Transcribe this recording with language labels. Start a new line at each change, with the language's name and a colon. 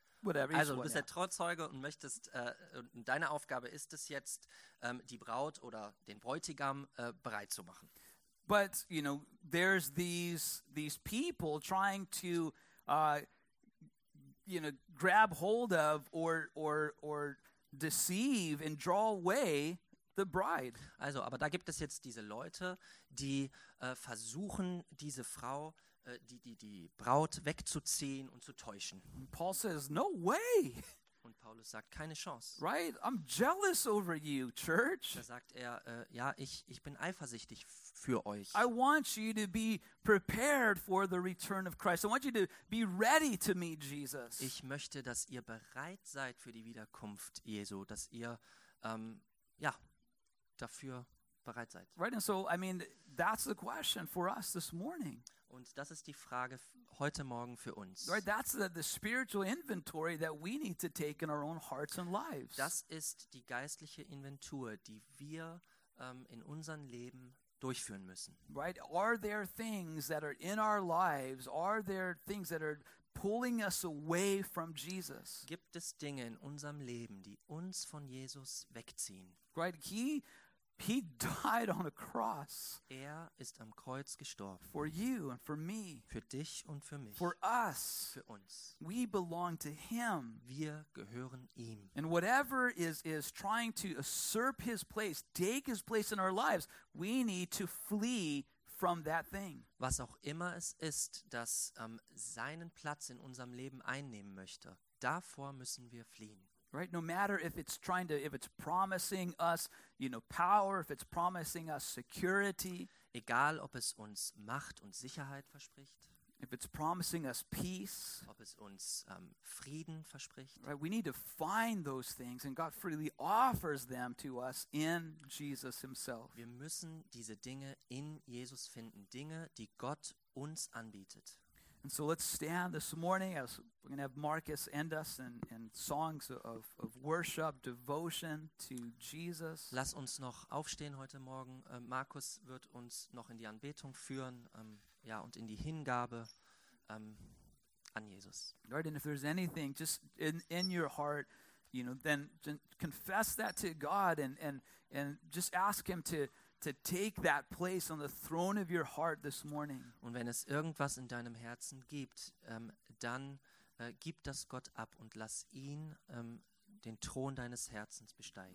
German: Whatever, also du bist der Trauzeuge und möchtest, deine Aufgabe ist es jetzt, die Braut oder den Bräutigam bereit zu machen.
English: But, you know, there's these people trying to, you know, grab hold of or deceive and draw away the bride.
German: Also, aber da gibt es jetzt diese Leute, die versuchen, diese Frau die Braut wegzuziehen und zu täuschen.
English: And Paul says, no way.
German: Und Paulus sagt, keine Chance.
English: Right? I'm jealous over you, church.
German: Da sagt er, ja, ich bin eifersüchtig für euch.
English: I want you to be prepared for the return of Christ. I want you to be ready to meet Jesus.
German: Ich möchte, dass ihr bereit seid für die Wiederkunft Jesu, dass ihr ja, dafür bereit seid.
English: Right, and so, I mean, that's the question for us this morning.
German: Und das ist die Frage heute Morgen für uns.
English: Right, that's the spiritual inventory that we need to take in our own hearts and lives.
German: Das ist die geistliche Inventur, die wir in unserem Leben durchführen müssen.
English: Right, are there things that are in our lives, are there things that are pulling us away from Jesus?
German: Gibt es Dinge in unserem Leben, die uns von Jesus wegziehen?
English: Right, he He died on a cross.
German: Er ist am Kreuz gestorben.
English: For you and for me.
German: Für dich und für mich.
English: For us.
German: Für uns.
English: We belong to him.
German: Wir gehören ihm.
English: And whatever is trying to usurp his place, take his place in our lives, we need to flee from that thing.
German: Was auch immer es ist, das seinen Platz in unserem Leben einnehmen möchte, davor müssen wir fliehen.
English: Right, no matter if it's trying to, if it's promising us, you know, power, if it's promising us security.
German: Egal, ob es uns Macht und Sicherheit verspricht.
English: If it's promising us peace.
German: Ob es uns Frieden verspricht.
English: Right, we need to find those things, and God freely offers them to us in Jesus himself.
German: Wir müssen diese Dinge in Jesus finden, Dinge, die Gott uns anbietet.
English: And so let's stand this morning as we're going to have Marcus end us in songs of worship, devotion to Jesus.
German: Lass uns noch aufstehen heute Morgen. Markus wird uns noch in die Anbetung führen, ja, und in die Hingabe an Jesus.
English: Right, and if there's anything just in your heart, you know, then confess that to God and just ask him to take that place on the throne of your heart this morning.
German: Und wenn es irgendwas in deinem Herzen gibt, dann gib das Gott ab und lass ihn den Thron deines Herzens besteigen.